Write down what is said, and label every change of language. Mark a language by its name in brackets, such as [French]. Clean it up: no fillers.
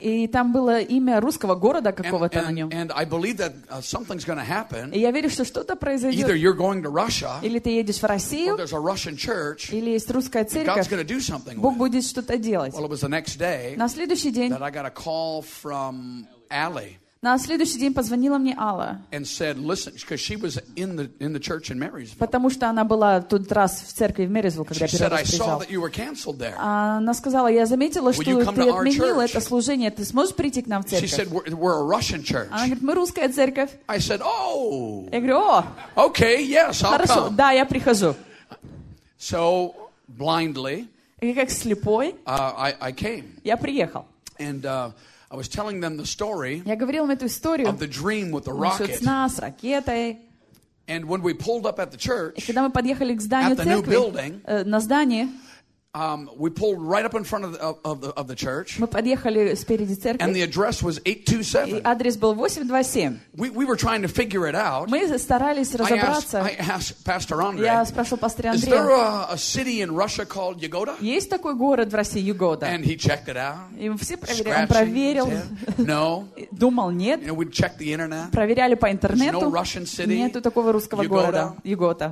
[Russian] И там было имя русского города какого-то на нем. [English] And I believe that something's going to happen. [Russian] И я верю, что что-то произойдет. [English] Either you're going to Russia. [Russian] Или ты едешь в Россию. [English] Or there's a Russian church. [Russian] Или есть русская церковь. [English] God's going to do something. [Russian] Бог будет что-то делать. [English] Well, it was the next day. [Russian] На следующий день. [English] That I got a call from Ally. [Russian] На следующий день позвонила мне Алла. [English] And said, listen, because she was in the church in Marysville. [Russian] Потому что она была тот раз в церкви в Marysville, когда [English] she [Russian] я первый [English] said, [Russian] раз приезжал. [English] I saw that you were canceled there. [Russian] Она сказала, я заметила, что ты отменила это служение. Ты сможешь прийти к нам в церковь? [English] She said, we're a Russian church. [Russian] Она говорит, мы русская церковь. [English] I said, oh. [Russian] Я говорю, о. [English] Okay, yes, I'll [Russian] хорошо, [English] come. [Russian] Да, я прихожу. [English] So, blindly. [Russian] И как слепой. [English] I came. [Russian] Я приехал. [English] And I was telling them the story. [Russian] Я говорил им эту историю. [English] Of the dream with the rocket. [Russian] Сна с ракетой. [English] And when we pulled up at the church. [Russian] И когда мы подъехали к зданию [English] at the [Russian] церкви, [English] new building, [Russian] на здании. [English] We pulled right up in front of the church. [Russian] Мы подъехали спереди церкви. [English] And the address was 827. [Russian] И адрес был 827. [English] We were trying to figure it out. [Russian] Мы старались разобраться. [English] I asked Pastor Andre. [Russian] Я спрашивал пастора Андрея. [English] Is there a city in Russia called Yugota? [Russian] Есть такой город в России Югота? [English] And he checked it out. [Russian] И все проверяли. Он проверил. [English] No. [Russian] Думал нет. [English] And we checked the internet. [Russian] Проверяли по интернету. [English] There's no Russian city. [Russian] Нету такого русского города Югота.